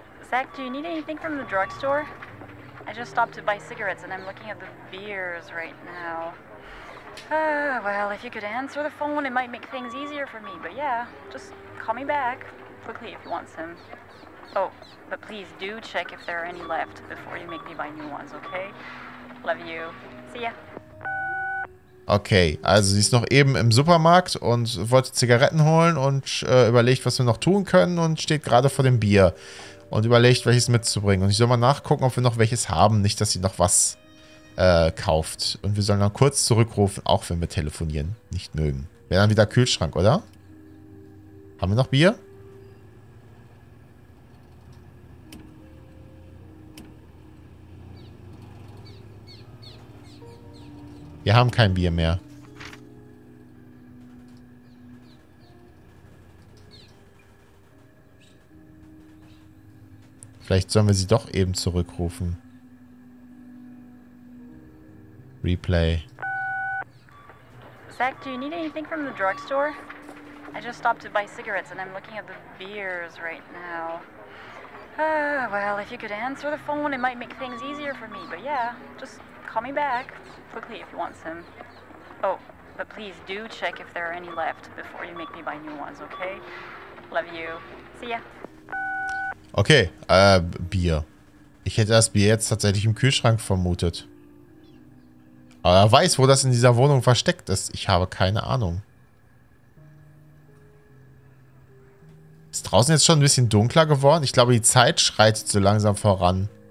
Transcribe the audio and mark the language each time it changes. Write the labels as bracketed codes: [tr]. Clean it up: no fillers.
[en] Zach, do you need anything from the drugstore? I just stopped to buy cigarettes and I'm looking at the beers right now. Well, if you could answer the phone, it might make things easier for me. But yeah, just call me back quickly if you want some. Oh, but please do check if there are any left before you make me buy new ones, okay? Love you. See ya. [de] Okay, also sie ist noch eben im Supermarkt und wollte Zigaretten holen und überlegt, was wir noch tun können und steht gerade vor dem Bier. Und überlegt, welches mitzubringen. Und ich soll mal nachgucken, ob wir noch welches haben. Nicht, dass sie noch was kauft. Und wir sollen dann kurz zurückrufen, auch wenn wir telefonieren nicht mögen. Wäre dann wieder Kühlschrank, oder? Haben wir noch Bier? Wir haben kein Bier mehr. Vielleicht sollen wir sie doch eben zurückrufen. [en] Replay. Zach, do you need anything from the drugstore? I just stopped to buy cigarettes and I'm looking at the beers right now. Well, if you could answer the phone, it might make things easier for me. But yeah, just call me back quickly if you want some. Oh, but please do check if there are any left before you make me buy new ones, okay? Love you. See ya. [de] Okay, Bier. Ich hätte das Bier jetzt tatsächlich im Kühlschrank vermutet. Aber er weiß, wo das in dieser Wohnung versteckt ist. Ich habe keine Ahnung. Ist draußen jetzt schon ein bisschen dunkler geworden? Ich glaube, die Zeit schreitet so langsam voran.